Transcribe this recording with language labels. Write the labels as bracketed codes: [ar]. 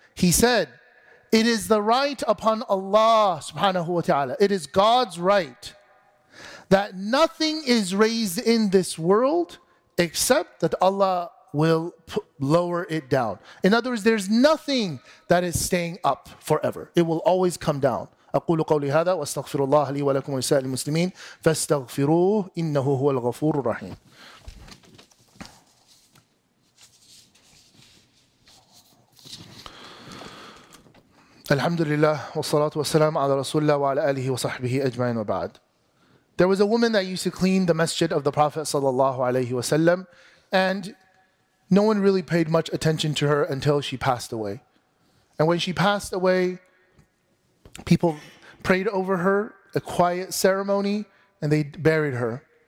[en] He said, "It is the right upon Allah subhanahu wa ta'ala. It is God's right that nothing is raised in this world except that Allah will lower it down. In other words, there's nothing that is staying up forever. It will always come down. [ar] أقول قولي هذا واستغفر الله لي ولكم ولسائر المسلمين فاستغفروه إنه هو الغفور الرحيم. الحمد لله والصلاة والسلام على رسول الله وعلى آله وصحبه أجمعين وبعد. [en] There was a woman that used to clean the masjid of the Prophet صلى الله عليه وسلم, and no one really paid much attention to her until she passed away. And when she passed away, people prayed over her, a quiet ceremony, and they buried her.